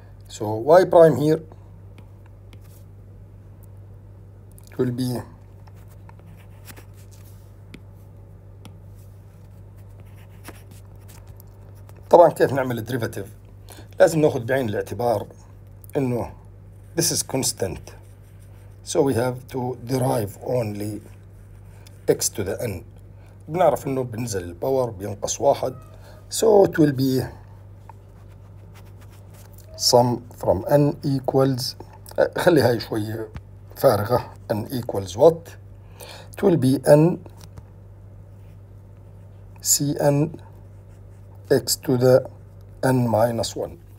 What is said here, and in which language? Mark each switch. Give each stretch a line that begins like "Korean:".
English: So y
Arabic: برايم
English: here will be
Arabic: طبعا كيف نعمل الدريفاتيف؟ لازم ناخذ بعين الاعتبار انه
English: this is constant. So we have to derive only x to the n.
Arabic: بنعرف انه بنزل الباور بينقص واحد.
English: So it will be sum from n equals
Arabic: خلي هاي شوية فارغة
English: n equals what. It will be n cn x to the n minus 1.